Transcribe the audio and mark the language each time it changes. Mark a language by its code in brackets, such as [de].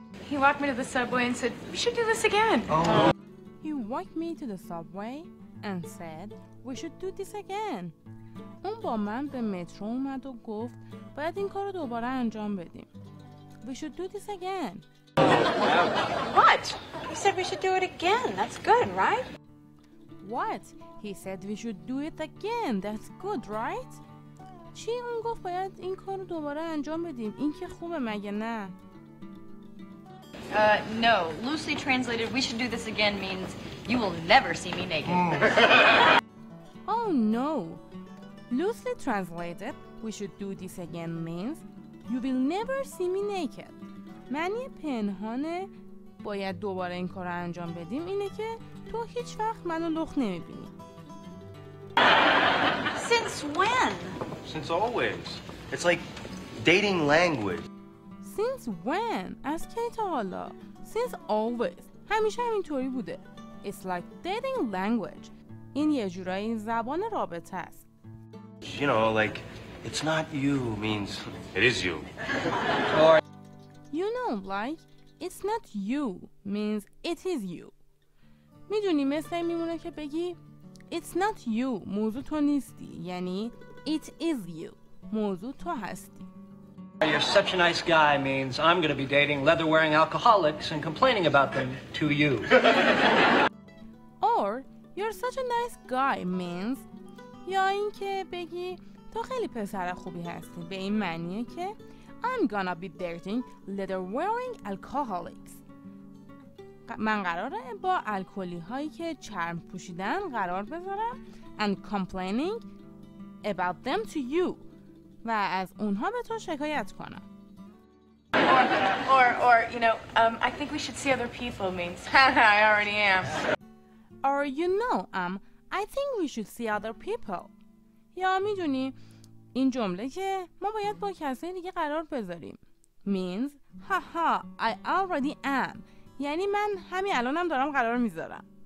[en] He walked me to the subway and said, we should do this again. Oh. He walked me to the subway and said, we should do this again. [fa] اون با من به مترو اومد و گفت, باید این کارو دوباره انجام بدیم. [en] We should do this again. What? He said we should do it again. That's good, right? What? He said we should do it again. That's good, right? [fa] چی اون گفت باید این کارو دوباره انجام بدیم؟ این که خوبه مگه نه؟ [en] No. Loosely translated, we should do this again means you will never see me naked. Oh no. Loosely translated, we should do this again means you will never see me naked. [fa] معنی پنهان باید دوباره این کار رو انجام بدیم اینه که تو هیچ وقت منو لخت نمیبینی. [en] Since when? Since always. It's like dating language. Since when? [fa] از کی تا حالا؟ [en] Since always. [fa] همیشه همینطوری بوده. [en] It's like dating language. [fa] این یه جورایی زبان رابطه است. [en] You know, like it's not you means it is you. You know, like, it's not you means it is you. [fa] میدونی مثل این میمونه که بگی [en] It's not you [fa] موضوع تو نیستی، یعنی [en] It is you [fa] موضوع تو هستی. [en] You're such a nice guy means I'm gonna be dating leather-wearing alcoholics and complaining about them to you. Or, you're such a nice guy means [fa] یا این که بگی تو خیلی پسر خوبی هستی به این معنیه که [en] I'm gonna be dating leather-wearing alcoholics. [fa] من قراره با الکلی هایی که چرم پوشیدن قرار بذارم [en] and complaining about them to you [fa] و از اونها به تو شکایت کنم. [en] Or you know, I think we should see other people means. I already am. Or you know, I think we should see other people. [fa] یا میدونی این جمله که ما باید با کسی دیگه قرار بذاریم [en] means haha I already am، [fa] یعنی من همین الانم دارم قرار میذارم.